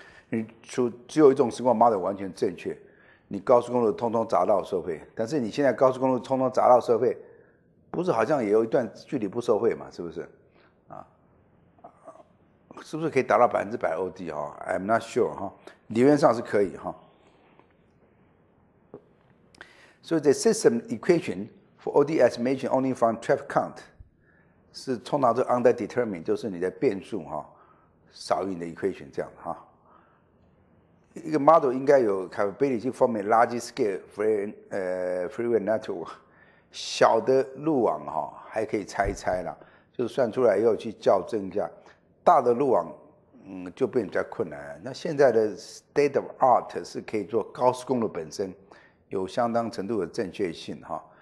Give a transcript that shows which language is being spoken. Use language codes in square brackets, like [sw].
[zh] 你只有一种情况 model 完全正确，你高速公路通通匝道收费，但是你现在高速公路通通匝道收费，不是好像也有一段距离不收费嘛？是不是？是不是可以达到百分之百 OD 哈 ？ [en] I'm not sure [zh] 哈，理论上是可以哈。所以 [en] the system equation for OD estimation only from traffic count [zh] 是通常是 underdetermined， 就是你的变数哈少于你的 equation 这样的哈。一个 model 应该有 capability 方面 [en] large scale freeway network [zh] 小的路网哈还可以猜一猜啦，就算出来要去校正一下。大的路网就变得比较困难。那现在的 state of art 是可以做高速公路本身有相当程度的正确性哈。